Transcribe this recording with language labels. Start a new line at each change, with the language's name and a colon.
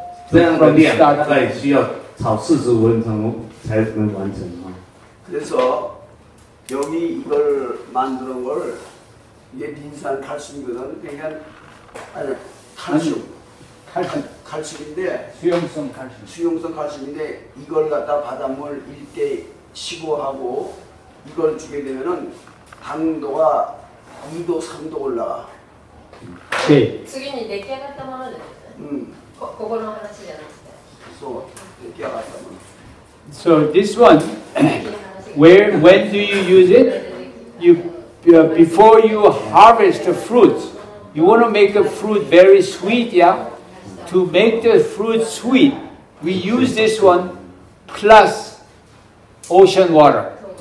Chinese: 这样的量大概需要炒45分钟才能完成啊。
Korean: 그래서 여기 이걸 만드는 걸 이게 린산 칼슘이거든. 그러니까 칼슘. 칼슘인데 수용성 칼슘인데 이걸 갖다 바닷물 1대 15하고 이걸 주게 되면은 당도가 2도 3도 올라가. 네. 주기님 4개 갖다 먹으면 되겠어요? 그거로 하나 쓰지 않았어요? 4개 갖다 먹으면.
English: So this one, when do you use it? You before you harvest the fruit, You want to make a fruit very sweet, yeah? To make the fruit sweet, we use this one plus ocean water.